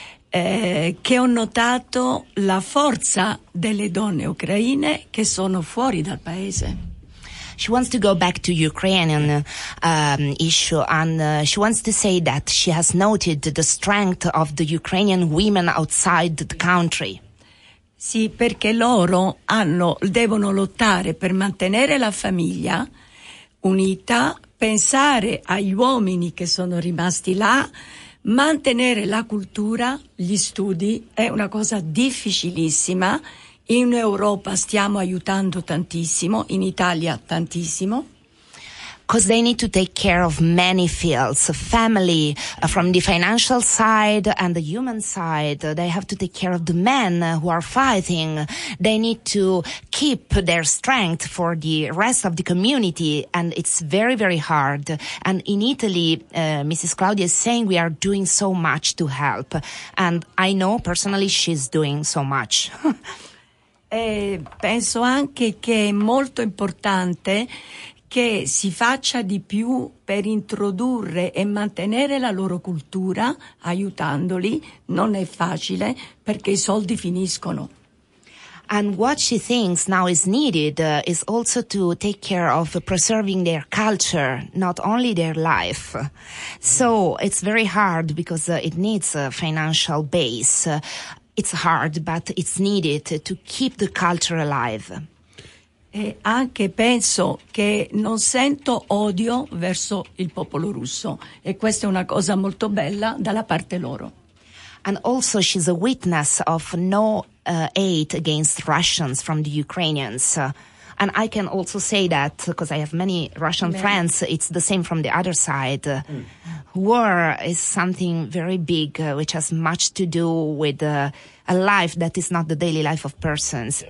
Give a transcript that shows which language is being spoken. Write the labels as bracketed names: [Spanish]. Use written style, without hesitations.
[Italian] che ho notato la forza delle donne ucraine che sono fuori dal paese. [English] She wants to go back to Ukrainian issue, and she wants to say that she has noted the strength of the Ukrainian women outside the country. [Italian] Sì, perché loro hanno devono lottare per mantenere la famiglia unita, pensare agli uomini che sono rimasti là, mantenere la cultura, gli studi è una cosa difficilissima. In Europa stiamo aiutando tantissimo, in Italia tantissimo. [English] Because they need to take care of many fields, family, from the financial side and the human side. They have to take care of the men who are fighting. They need to keep their strength for the rest of the community. And it's very, very hard. And in Italy, Mrs. Claudia is saying we are doing so much to help. And I know personally she's doing so much. [Italian] E penso anche che è molto importante che si faccia di più per introdurre e mantenere la loro cultura aiutandoli. Non è facile perché i soldi finiscono. [English] And what she thinks now is needed is also to take care of preserving their culture, not only their life. So it's very hard because it needs a financial base. It's hard, but it's needed to keep the culture alive. E anche penso che non sento odio verso il popolo russo, e questa è una cosa molto bella dalla parte loro. And also she's a witness of no hate against Russians from the Ukrainians. And I can also say that, because I have many Russian friends, it's the same from the other side. War is something very big, which has much to do with a life that is not the daily life of persons. Yes.